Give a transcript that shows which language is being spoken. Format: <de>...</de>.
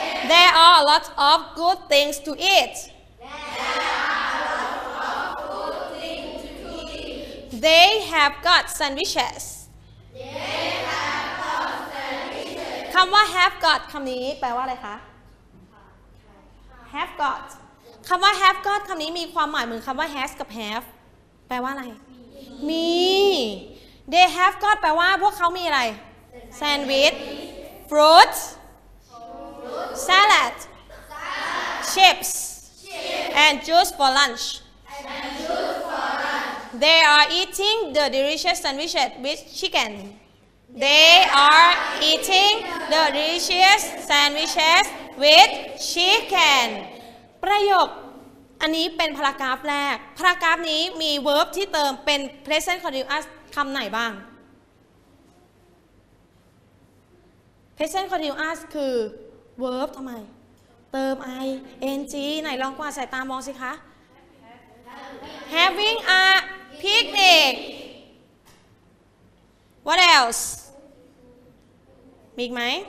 <en>There are a lot of good things to eat They have got sandwiches</en> <th>คำว่า have got คำนี้แปลว่าอะไรคะ have got คำว่า have got คำนี้มีความหมายเหมือนคำว่า has กับ have แปลว่าอะไรมี</th> <en>they have got</en> <th>แปลว่าพวกเขามีอะไร</th> <en>sandwich fruit salad chips and juice for lunch they are eating the delicious sandwiches with chickenThey are eating the delicious sandwiches with chicken.</en> <th>ประโยคอันนี้เป็นพารากราฟแรกพารากราฟนี้มี verb ที่เติมเป็น present continuous คำไหนบ้าง present continuous คือ verb ทำไมเติม ing ไหนลองกวาดสายตามองสิคะ</th> <en>having a picnic what else</en> <th>มีอีกไหม</th>